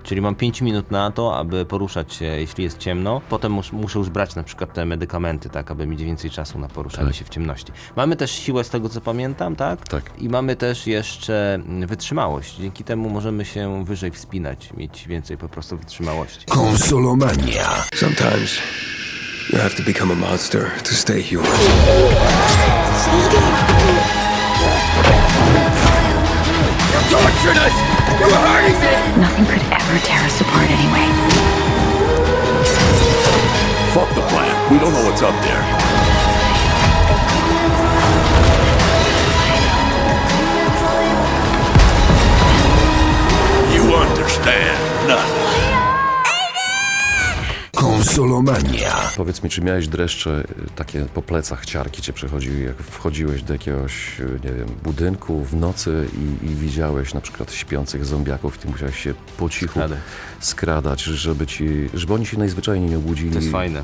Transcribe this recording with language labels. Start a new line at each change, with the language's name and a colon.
Polish: Czyli mam 5 minut na to, aby poruszać się, jeśli jest ciemno. Potem muszę już brać na przykład te medykamenty, tak, aby mieć więcej czasu na poruszanie się w ciemności. Mamy też siłę z tego, co pamiętam, tak? Tak. I mamy też jeszcze wytrzymałość. Dzięki temu możemy się wyżej wspinać, mieć więcej po prostu wytrzymałości. Konsolomania.
English: Sometimes you have to become a monster to stay human. Nothing could ever tear us apart anyway. Fuck the plan. We don't know what's up there. You understand nothing. Aiden!
Polish: Solomania. Powiedz mi, czy miałeś dreszcze takie po plecach, ciarki cię przechodziły, jak wchodziłeś do jakiegoś, nie wiem, budynku w nocy i widziałeś na przykład śpiących zombiaków i ty musiałeś się po cichu skradać, żeby ci, żeby oni się najzwyczajniej nie obudzili. To jest fajne.